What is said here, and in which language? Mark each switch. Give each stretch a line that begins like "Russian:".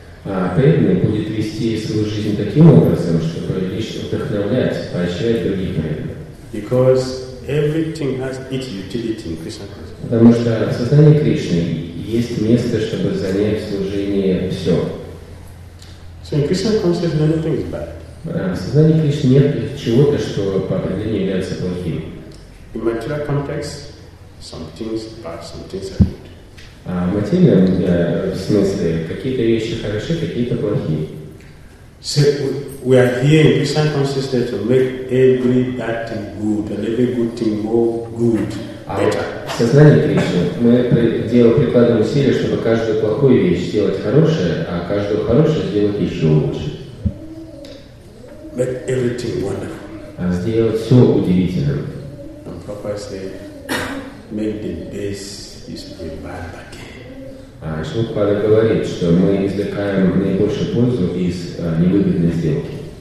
Russian: Преданный будет вести свою жизнь таким образом, чтобы лишь вдохновлять, поощрять других преданных.
English: Because everything has its utility in Krishna consciousness.
Russian: Потому что в сознании Кришны есть место, чтобы занять в служении все.
English: So in Krishna consciousness, nothing is bad.
Russian: В сознании Кришны нет чего-то, что по определению является плохим.
English: In material context, some things bad, some things are good.
Russian: В материальном смысле какие-то вещи хороши, какие-то плохие.
English: So we are here in Christian consciousness to make every bad thing good and every good thing more good, better.
Russian: В сознании Кришны мы прикладываем усилия, чтобы каждую плохую вещь сделать хорошее, а каждую хорошую сделать еще лучше.
English: Make everything wonderful.
Russian: А сделать все удивительным.
English: And Prabhupada said, make the best is the bad again.
Russian: А Шилупада говорит, что мы извлекаем наибольшую пользу из невыгодной сделки.